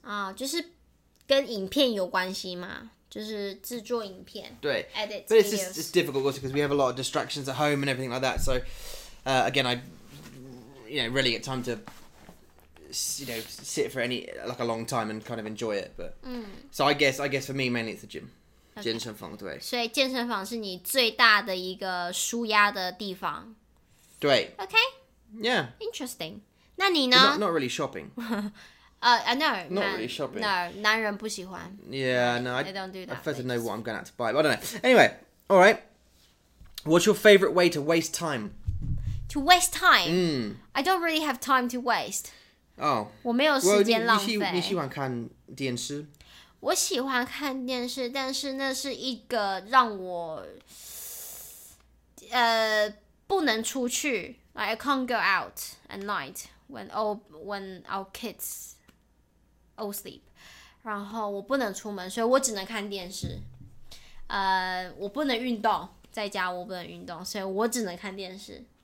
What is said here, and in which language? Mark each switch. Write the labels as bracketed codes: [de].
[zh] 啊、oh, ，就是跟影片有关系嘛，就是制作影片。对 [en] ，edit. But it's difficult also because we have a lot of distractions at home and everything like that. So, again, I, you know, really get time to. You know, sit for any like a long time and kind of enjoy it, but、 mm. so I guess for me mainly it's the gym, [zh] 健身房对。所以健身房是你最大的一个舒压的地方。对。 [en] Okay. Yeah. Interesting. [zh] 那你呢 [en] not really shopping. I know. Not really shopping. [zh] No, 男人不喜欢。 [en] Yeah, no. I don't do that. I first know what I'm going out to buy, but I don't know. Anyway, all right. What's your favorite way to waste time? To waste time.、 Mm. I don't really have time to waste. Oh, [zh] 我没有时间浪费。你喜欢看电视？我喜欢看电视，但是那是一个让我不能出去。 [en] Like, I can't go out at night when our kids all sleep. [zh] 然后我不能出门，所以我只能看电视。我不能运动，在家我不能运动，所以我只能看电视。